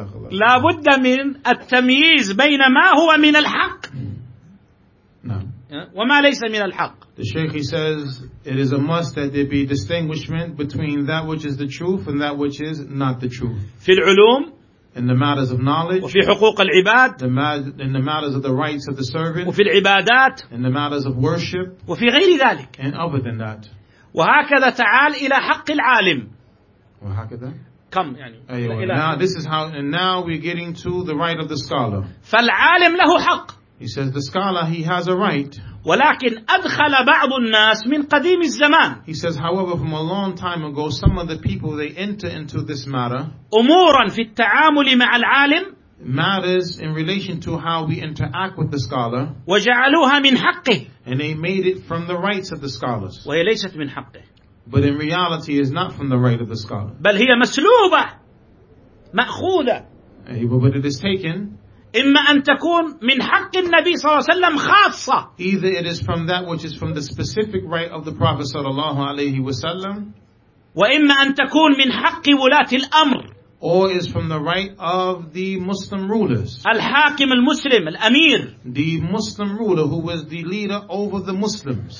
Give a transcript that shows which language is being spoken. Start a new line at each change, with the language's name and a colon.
Arabic: لا بد من التمييز بين ما هو من الحق.
English: No.
Arabic: وما ليس من الحق.
English: The Sheikh he says it is a must that there be distinguishment between that which is the truth and that which is not the truth.
Arabic: في العلوم.
English: In the matters of knowledge.
Arabic: وفي حقوق العباد.
English: In the matters of the rights of the servant.
Arabic: وفي العبادات.
English: In the matters of worship.
Arabic: وفي غير ذلك.
English: And other than that.
Arabic: وهكذا تعال إلى حق العالم. وهكذا.
English: Come.
Arabic: أيوة.
English: Now this is how, and now we're getting to the right of the scholar.
Arabic: فالعالم له حق.
English: He says the scholar he has a right.
Arabic: ولكن أدخل بعض الناس من قديم الزمان.
English: He says, however, from a long time ago, some of the people they enter into this matter.
Arabic: أمورا في التعامل مع العالم.
English: Matters in relation to how we interact with the scholar.
Arabic: وجعلوها من حقه.
English: And they made it from the rights of the scholars.
Arabic: وهي ليست من حقه.
English: But in reality, is not from the right of the scholar.
Arabic: بل هي مسلوبة مأخوذة.
English: But it is taken.
Arabic: إما أن تكون من حق النبي صلى الله عليه وسلم خاصة.
English: Either it is from that which is from the specific right of the Prophet
Arabic: صلى الله عليه وسلم. وإما أن تكون من حق ولاة الأمر.
English: Or is from the right of the Muslim rulers.
Arabic: الحاكم المسلم الأمير.
English: The Muslim ruler who was the leader over the Muslims.